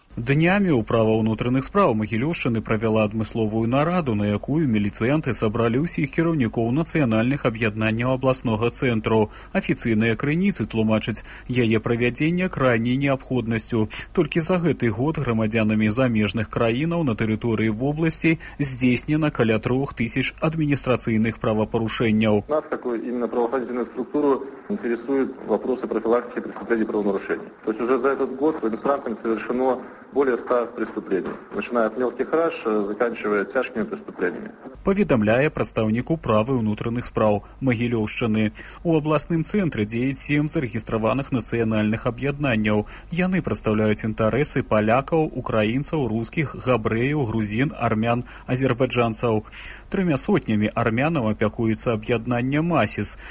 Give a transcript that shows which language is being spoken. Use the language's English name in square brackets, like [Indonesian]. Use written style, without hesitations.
[Belarusian] Днямі управа ўнутраных справ Магілёўшчыны правяла адмысловую нараду, на якую міліцыянты сабралі ўсіх кіраўнікоў нацыянальных аб'яднанняў абласнога цэнтру. Афіцыйныя крыніцы тлумачаць яе правядзенне крайняй неабходнасцю. Толькі за гэты год грамадзянамі замежных краінаў на тэрыторыі вобласці здзейснена каля 3000 адміністрацыйных правапарушэнняў. [Russian] Нас, как именно правоохранительную структуру, интересуют вопросы профилактики преступлений правонарушений. То есть уже за этот год иностранцам совершено более 100 преступлений, начиная от мелких краж, заканчивая тяжкими преступлениями. [Belarusian] Паведамляе прадстаўнік управы ўнутраных справ Магілёўшчыны. У абласным цэнтры дзеюць 7 зарэгістраваных нацыянальных аб'яднанняў. Яны прадстаўляюць інтарэсы палякаў, украінцаў, рускіх, габрэяў, грузін, армян, азербайджанцаў. 300 армянам апякуецца аб'яднанне МАСІС.